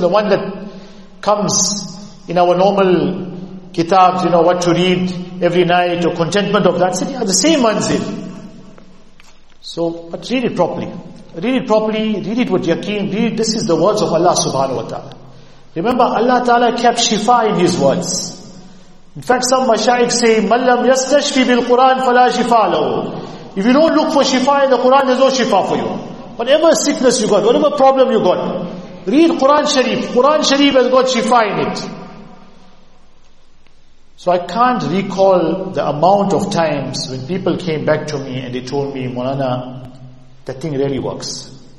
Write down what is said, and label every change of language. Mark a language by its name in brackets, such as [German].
[English] The one that comes in our normal kitabs, you know, what to read every night, or contentment of that city, are the same manzil. So, but read it properly. Read it properly, read it with yaqeen, read it. This is the words of Allah subhanahu wa ta'ala. Remember, Allah ta'ala kept shifa in His words. In fact, some mashayikh say, [Arabic] مَنْ لَمْ يَسْتَشْفِ بِالْقُرْآنِ فَلَا شِفَى لَهُ. [English] If you don't look for shifa in the Quran, there's no shifa for you. Whatever sickness you got, whatever problem you got, read Quran Sharif. Quran Sharif has got shifa in it. So I can't recall the amount of times when people came back to me and they told me, Mulana, that thing really works.